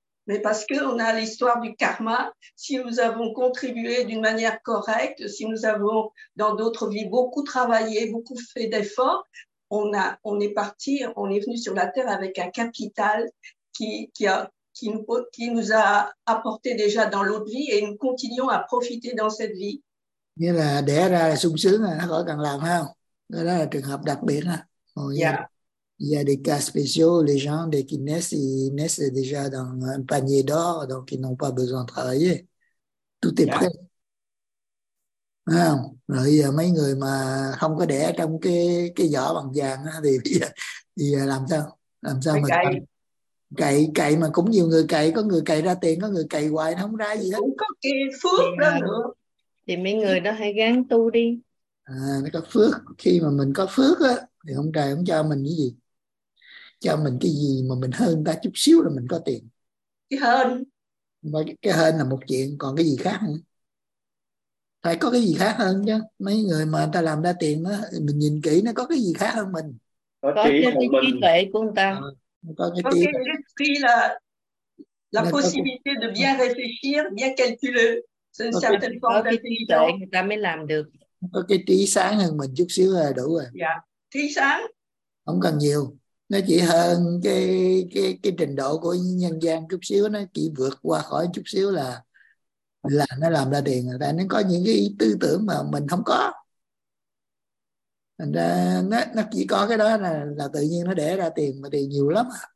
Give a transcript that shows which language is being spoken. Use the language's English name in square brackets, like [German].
[French] Mais parce qu'on a l'histoire du karma, si nous avons contribué d'une manière correcte, si nous avons dans d'autres vies beaucoup travaillé, beaucoup fait d'efforts, on est venu sur la terre avec un capital qui nous a apporté déjà dans l'autre vie et nous continuons à profiter dans cette vie. [Vietnamese] Nghĩa là đẻ ra là sung sướng là nó khỏi cần làm không? Đó là trường hợp đặc biệt là. Oh, yeah. [French] Il y a des cas spéciaux, les gens dès qu'ils naissent, ils naissent déjà dans un panier d'or, donc ils n'ont pas besoin de travailler. Tout est prêt. [Vietnamese] Rồi giờ mấy người mà không có đẻ trong cái vỏ bằng vàng á thì bây giờ làm sao? Làm sao mà cậy cậy mà cũng nhiều người cậy, có người cậy ra tiền, có người cậy hoài nó không ra gì hết. Cũng có cái phước đó nữa. Thì mấy người đó hãy gắng tu đi. À, nó có phước, khi mà mình có phước á thì ông trời không cho mình cái gì. Cho mình cái gì mà mình hơn ta chút xíu là mình có tiền. Cái hên. Mà cái hên là một chuyện, còn cái gì khác nữa? Phải có cái gì khác hơn chứ. Mấy người mà ta làm ra tiền đó, mình nhìn kỹ nó có cái gì khác hơn mình. Có cái trí tuệ của người ta. Có cái trí là [French] la possibilité de bien réfléchir, bien calculer. C'est une certaine forme d'intelligence. [Vietnamese] Người ta mới làm được. Có cái trí sáng hơn mình chút xíu là đủ rồi. Dạ, trí sáng. Không cần nhiều. Nó chỉ hơn cái trình độ của nhân gian chút xíu, nó chỉ vượt qua khỏi chút xíu là nó làm ra tiền. Tại nó có những cái tư tưởng mà mình không có. Thành ra nó chỉ có cái đó là tự nhiên nó đẻ ra tiền, mà tiền nhiều lắm.